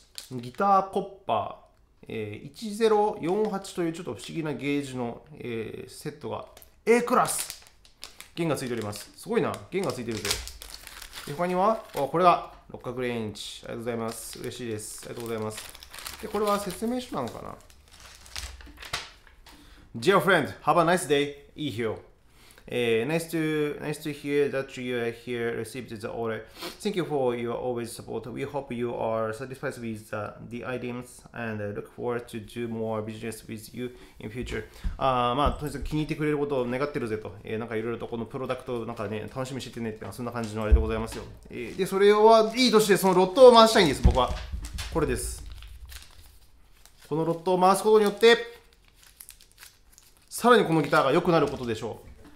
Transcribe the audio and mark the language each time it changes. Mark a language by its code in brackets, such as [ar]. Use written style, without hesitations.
[ja] ギターコッパー。1048というちょっと不思議なゲージの、セットが A クラス弦がついております。すごいな、弦がついてるぜ。で、他にはこれが六角レンチ、ありがとうございます、嬉しいです、ありがとうございます。で、これは説明書なのかな。 [en] Dear friend, have a nice day, eat here、nice to hear that you are here, received the order. Thank you for your always support. We hope you are satisfied with the items and look forward to do more business with you in future. [ja] まあ、とりあえず気に入ってくれることを願ってるぜと。なんかいろいろとこのプロダクトなんかね、楽しみしててねっていうのは、そんな感じのあれでございますよ。で、それはいい年で、そのロットを回したいんです、僕は。これです。このロットを回すことによって、さらにこのギターが良くなることでしょう。